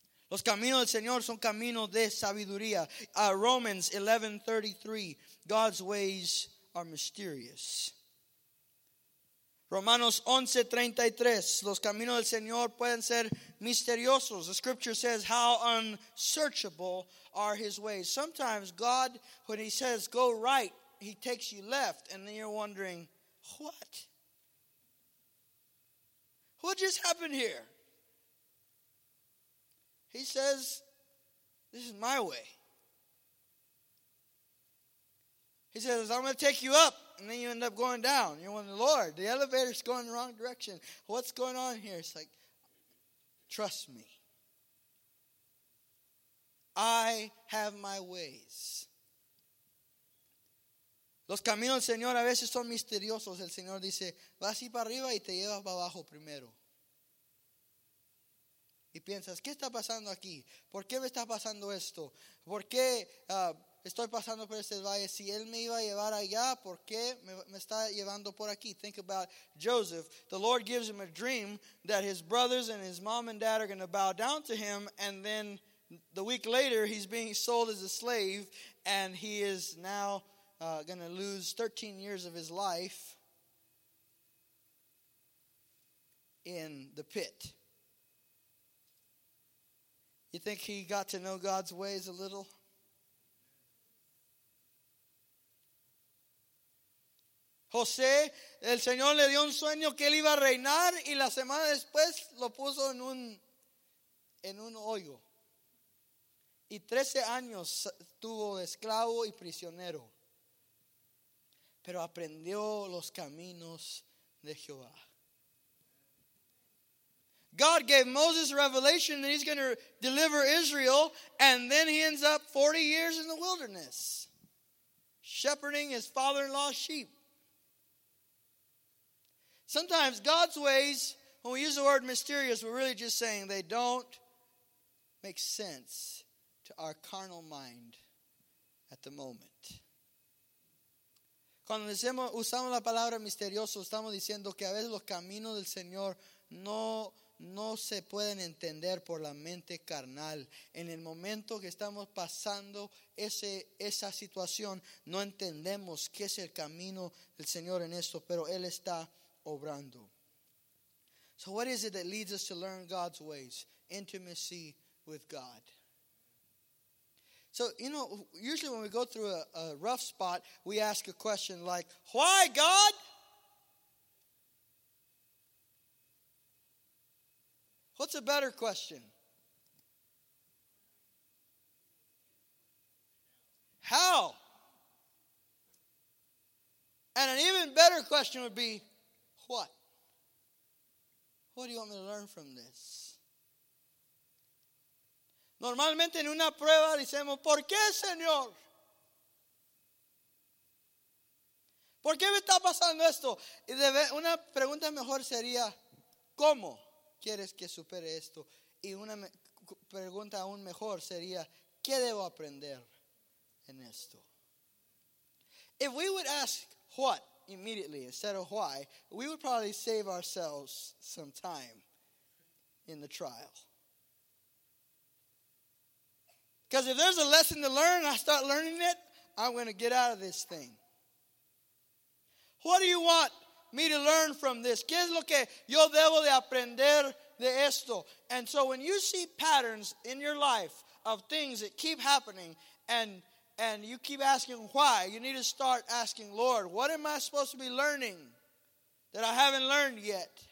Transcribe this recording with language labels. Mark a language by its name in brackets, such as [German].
[Spanish] Los caminos del Señor son caminos de sabiduría. [English] Romans 11:33, God's ways are mysterious. [Spanish] Romanos 11:33, los caminos del Señor pueden ser misteriosos. [English] The scripture says, how unsearchable are his ways. Sometimes God, when he says, go right, he takes you left. And then you're wondering, what? What just happened here? He says, this is my way. He says, I'm going to take you up. And then you end up going down. You're wondering, Lord, the elevator's going the wrong direction. What's going on here? It's like, trust me. I have my ways. [Spanish] Los caminos del Señor a veces son misteriosos. El Señor dice, vas y para arriba y te llevas para abajo primero. Y piensas, ¿qué está pasando aquí? ¿Por qué me está pasando esto? ¿Por qué estoy pasando por este valle? Si él me iba a llevar allá, ¿por qué me está llevando por aquí? [English] Think about Joseph. The Lord gives him a dream that his brothers and his mom and dad are going to bow down to him. And then the week later, he's being sold as a slave. And he is now going to lose 13 years of his life in the pit. You think he got to know God's ways a little? [Spanish] José, el Señor le dio un sueño que él iba a reinar y la semana después lo puso en un hoyo. Y 13 años estuvo esclavo y prisionero. Pero aprendió los caminos de Jehová. [English] God gave Moses revelation that he's going to deliver Israel, and then he ends up 40 years in the wilderness, shepherding his father-in-law's sheep. Sometimes God's ways, when we use the word mysterious, we're really just saying they don't make sense to our carnal mind at the moment. [Spanish] Cuando usamos la palabra misterioso, estamos diciendo que a veces los caminos del Señor no se pueden entender por la mente carnal. En el momento que estamos pasando esa situación, no entendemos qué es el camino del Señor en esto, pero Él está obrando. [English] So what is it that leads us to learn God's ways? Intimacy with God. So, you know, usually when we go through a rough spot, we ask a question like, why, God? What's a better question? How? And an even better question would be, what? What do you want me to learn from this? [Spanish] Normalmente en una prueba decimos, ¿por qué, Señor? ¿Por qué me está pasando esto? Y una pregunta mejor sería, ¿cómo quieres que supere esto? Y una pregunta aún mejor sería, ¿qué debo aprender en esto? [English] If we would ask what immediately instead of why, we would probably save ourselves some time in the trial. Because if there's a lesson to learn, I start learning it, I'm going to get out of this thing. What do you want me to learn from this? [Spanish] ¿Qué es lo que yo debo de aprender de esto? [English] And so when you see patterns in your life of things that keep happening and you keep asking why, you need to start asking, Lord, what am I supposed to be learning that I haven't learned yet?